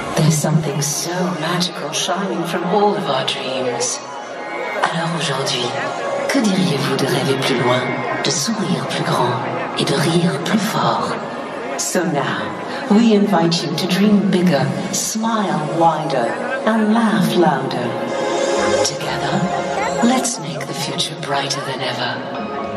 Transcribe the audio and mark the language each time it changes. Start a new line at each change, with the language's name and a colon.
English: something so magical shining from all of our dreams.
French: Alors aujourd'hui, que diriez-vous de rêver plus loin, de sourire plus grand et de rire plus fort?
English: So now, we invite you to dream bigger, smile wider, and laugh louder. Together, let's make the future brighter than ever.